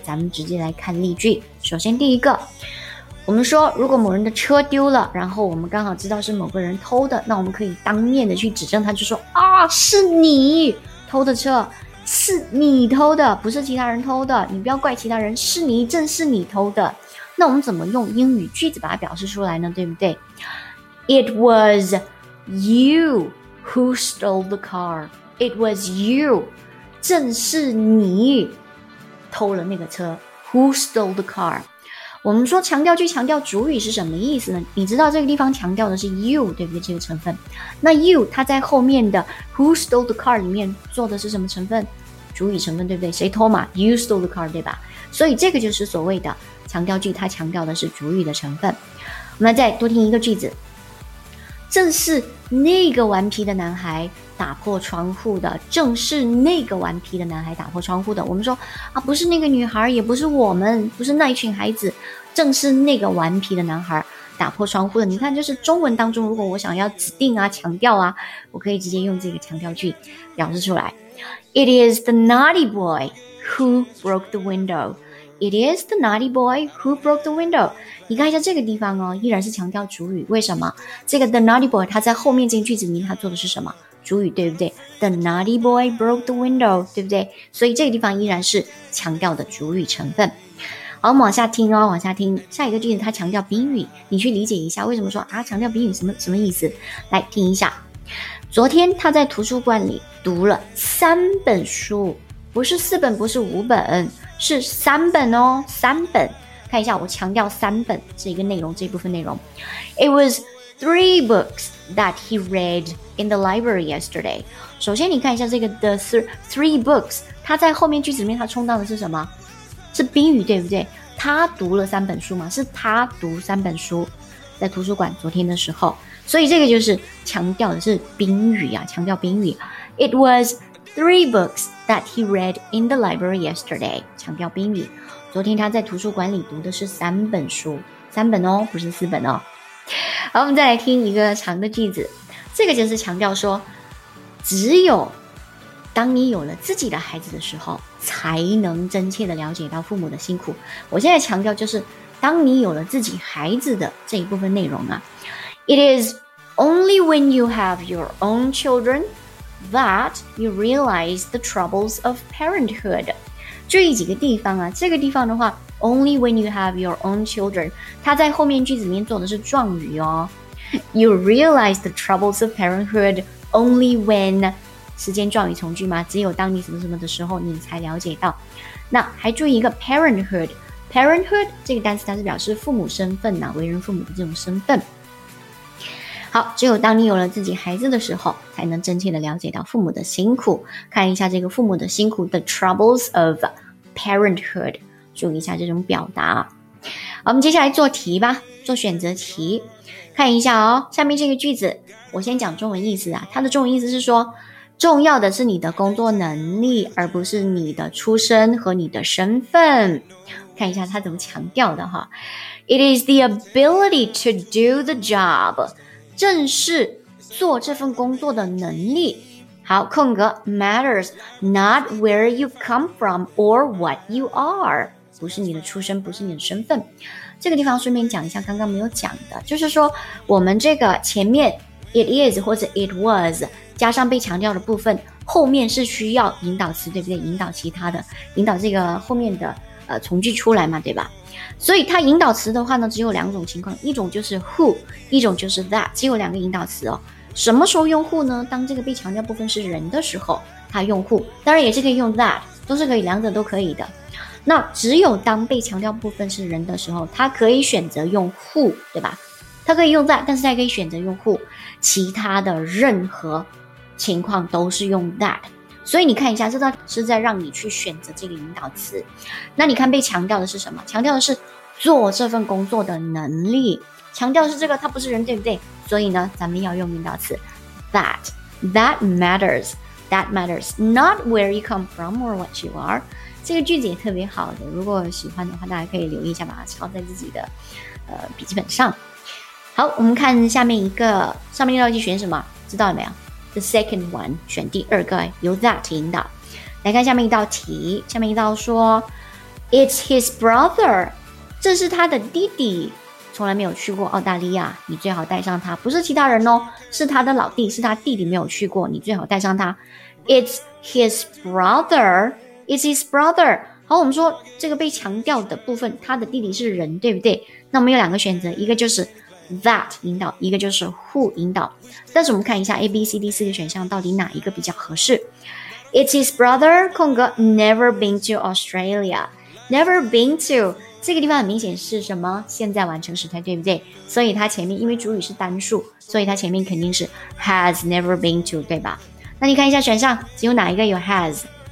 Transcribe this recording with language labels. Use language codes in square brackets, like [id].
[zh] 咱们直接来看例句。首先第一个，我们说如果某人的车丢了，然后我们刚好知道是某个人偷的，那我们可以当面的去指证他，就说啊，是你偷的车，是你偷的，不是其他人偷的，你不要怪其他人，是你，正是你偷的。那我们怎么用英语句子把它表示出来呢？对不对？ [en] It was you who stole the car. It was you. [zh] 正是你偷了那个车。 [en] Who stole the car? [zh] 我们说强调句强调主语是什么意思呢？你知道这个地方强调的是 you, 对不对？这个成分。那 you, 它在后面的 [en] who stole the car [zh] 里面做的是什么成分？主语成分，对不对？谁偷嘛？ [en] You stole the car, [zh] 对吧？所以这个就是所谓的强调句，它强调的是主语的成分。我们再多听一个句子，正是那个顽皮的男孩打破窗户的，正是那个顽皮的男孩打破窗户的。我们说啊，不是那个女孩，也不是我们，不是那一群孩子，正是那个顽皮的男孩打破窗户的。你看，就是中文当中，如果我想要指定啊，强调啊，我可以直接用这个强调句表示出来。 [en] It is the naughty boy who broke the window. It is the naughty boy who broke the window. [zh] 你看一下这个地方哦，依然是强调主语。为什么？这个 [en] the naughty boy [zh] 他在后面这个句子里面他做的是什么？主语，对不对？ [en] The naughty boy broke the window, [zh] 对不对？所以这个地方依然是强调的主语成分。好，我们往下听哦，往下听。下一个句子他强调宾语，你去理解一下为什么说啊强调宾语什么意思？来听一下。昨天他在图书馆里读了三本书，不是四本，不是五本。是三本哦，三本。看一下，我强调三本这一个内容，这一部分内容。 [en] It was three books that he read in the library yesterday. [zh] 首先，你看一下这个 [en] the three books， [zh] 它在后面句子里面它充当的是什么？是宾语，对不对？他读了三本书吗？是他读三本书，在图书馆昨天的时候。所以这个就是强调的是宾语啊，强调宾语。 [en] It was three books. That he read in the library yesterday. [zh] 强调宾语，昨天他在图书馆里读的是三本书，三本哦，不是四本哦。好，我们再来听一个长的句子，这个就是强调说，只有当你有了自己的孩子的时候，才能真切的了解到父母的辛苦。我现在强调就是，当你有了自己孩子的这一部分内容啊。 [en] It is only when you have your own children. That you realize the troubles of parenthood. [zh] 注意几个地方啊，这个地方的话 ， [en] only when you have your own children， [zh] 它在后面句子里面做的是状语哦。 [en] You realize the troubles of parenthood only when [zh] 时间状语从句吗？只有当你什么什么的时候，你才了解到。那还注意一个 parenthood 这个单词，它是表示父母身份呐、啊，为人父母的这种身份。好，只有当你有了自己孩子的时候，才能真切的了解到父母的辛苦。看一下这个父母的辛苦 ，the troubles of parenthood， 注意一下这种表达。好，我们接下来做题吧，做选择题。看一下哦，下面这个句子，我先讲中文意思啊，它的中文意思是说，重要的是你的工作能力，而不是你的出身和你的身份。看一下它怎么强调的哈 [en] ，It is the ability to do the job. [zh] 正是做这份工作的能力。好，空格 [en] matters not where you come from or what you are， [zh] 不是你的出身，不是你的身份。这个地方顺便讲一下，刚刚没有讲的，就是说我们这个前面 it is 或者 it was 加上被强调的部分，后面是需要引导词，对不对？引导其他的，引导这个后面的从句出来嘛，对吧？所以它引导词的话呢，只有两种情况，一种就是 who， 一种就是 that， 只有两个引导词哦。什么时候用 who 呢？当这个被强调部分是人的时候，它用 who， 当然也是可以用 that， 都是可以，两者都可以的。那只有当被强调部分是人的时候，它可以选择用 who， 对吧？它可以用 that， 但是它可以选择用 who， 其他的任何情况都是用 that。所以你看一下，这道是在让你去选择这个引导词。那你看被强调的是什么？强调的是做这份工作的能力，强调的是这个，它不是人，对不对？所以呢，咱们要用引导词 that。 [en] That matters. That matters. Not where you come from or what you are. [zh] 这个句子也特别好的，如果喜欢的话，大家可以留意一下，把它抄在自己的笔记本上。好，我们看下面一个，上面那道题选什么？知道了没有？ [en] The second one, [zh] 选第二个，由 [en] that [zh] 引导。来看下面一道题，下面一道说 [en] It's his brother, [zh] 这是他的弟弟，从来没有去过澳大利亚，你最好带上他，不是其他人哦，是他的老弟，是他弟弟没有去过，你最好带上他。 [en] It's his brother, it's his brother。 [zh] 好，我们说这个被强调的部分，他的弟弟是人，对不对？那我们有两个选择，一个就是that 引导，一个就是 who 引导。但是我们看一下 ABCD 四个选项到底哪一个比较合适。 [en] It's his brother [zh] 空格 [en] never been to Australia。 [zh] never been to 这个地方很明显是什么？现在完成时态，对不对？所以它前面因为主语是单数，所以它前面肯定是 [en] has never been to， [zh] 对吧？那你看一下选项，只有哪一个有 has？